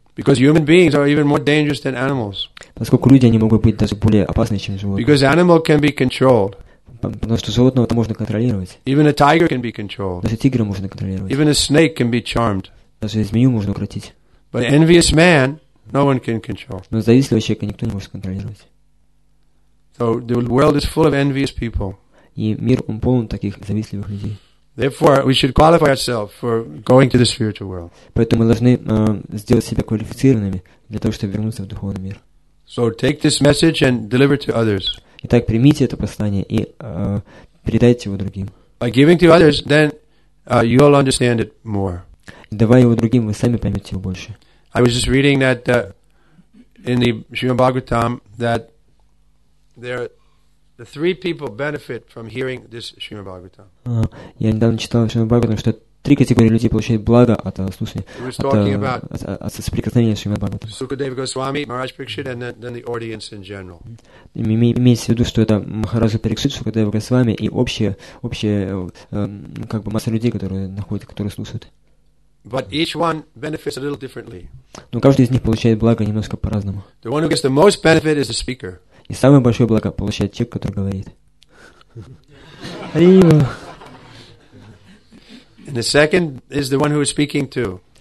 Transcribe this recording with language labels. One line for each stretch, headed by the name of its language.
English: Because human beings are even more dangerous than animals.
Russian: Поскольку люди, они могут быть даже более опасны, чем животные.
English: Because animal can be controlled.
Russian: Потому что животного-то можно контролировать.
English: Even a tiger can be controlled.
Russian: Даже тигра можно контролировать.
English: Even a snake can be charmed.
Russian: Даже змею можно укротить.
English: But an envious man, no one can control.
Russian: Но завистливого человека никто не может контролировать.
English: So the world is full of envious people.
Russian: И мир, он полон таких завистливых людей.
English: Therefore, we should qualify ourselves for going to the spiritual world.
Russian: Поэтому мы должны сделать себя квалифицированными для того, чтобы вернуться в духовный мир.
English: So take this message and deliver to others.
Russian: Итак, примите это послание и передайте его другим.
English: By giving to others, then you'll understand it more.
Russian: Давая его другим, вы сами поймете его больше.
English: I was just reading that in the Srimad Bhagavatam that there the three people benefit from hearing this Srimad Bhagavatam.
Russian: Я недавно читал Srimad Bhagavatam, что три категории людей получают благо от слушания, от соприкосновения с Шримад Бхагаватам.
English: Сукадева Госвами, Махарадж Парикшит, and then the audience in general.
Russian: Имеется в виду, что это Махараджа Парикшит, Сукадева Госвами и общая как бы масса людей, которые слушают.
English: But each one benefits a little differently.
Russian: Но каждый из них получает благо немножко по-разному.
English: The one who gets the most benefit is the speaker.
Russian: И самое большое благо получает человек, который говорит.
English: And the second is the one who is speaking to.